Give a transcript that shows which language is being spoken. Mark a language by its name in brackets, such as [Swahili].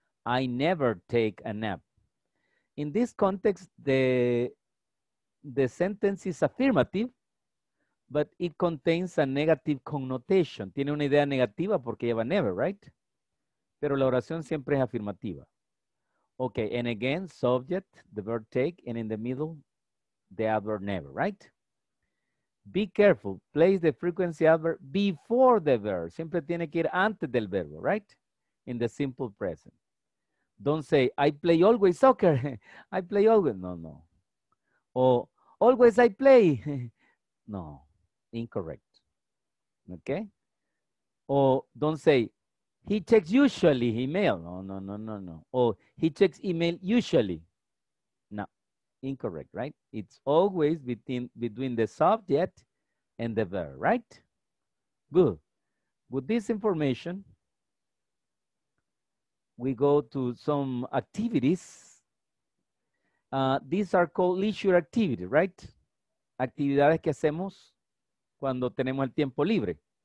[English] I never take a nap. In this context, the sentence is affirmative, but it contains a negative connotation. [Spanish] Tiene una idea negativa porque lleva never, right? Pero la oración siempre es afirmativa. [English] Okay, and again, subject, the verb take, and in the middle, the adverb never, right? Be careful. Place the frequency adverb before the verb. [Spanish] Siempre tiene que ir antes del verbo, right? [English] In the simple present. Don't say, I play always soccer. I play always. No, no. Or, always I play. No. Incorrect. Okay? Or don't say, he checks usually email. No, no, no, no, no. Or he checks email usually. No. Incorrect, right? It's always between the subject and the verb, right? Good. With this information, we go to some activities. These are called leisure activities, right? [Spanish] Actividades que hacemos cuando tenemos el tiempo libre.